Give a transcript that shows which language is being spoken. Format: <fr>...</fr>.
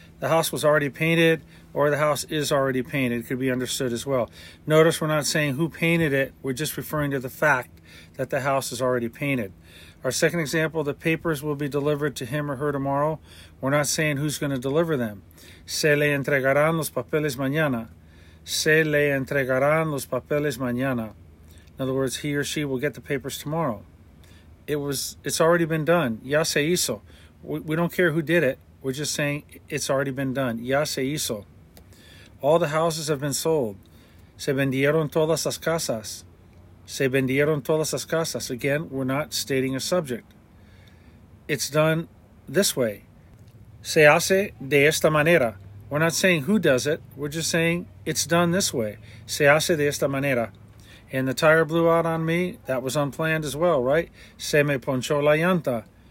<en>The house was already painted, or the house is already painted. It could be understood as well. Notice we're not saying who painted it. We're just referring to the fact that the house is already painted. Our second example, the papers will be delivered to him or her tomorrow. We're not saying who's going to deliver them.</en> <es>Se le entregarán los papeles mañana. Se le entregarán los papeles mañana.</es> <en>In other words, he or she will get the papers tomorrow. It's already been done.</en> <es>Ya se hizo.</es> <en>We don't care who did it. We're just saying it's already been done.</en> <es>Ya se hizo.</es> <en>All the houses have been sold.</en> <es>Se vendieron todas las casas. Se vendieron todas las casas.</es> <en>Again, we're not stating a subject. It's done this way.</en> <es>Se hace de esta manera.</es> <en>We're not saying who does it. We're just saying it's done this way.</en> <es>Se hace de esta manera.</es> <en>And the tire blew out on me. That was unplanned as well, right?</en> <es>Se me ponchó la llanta.</es>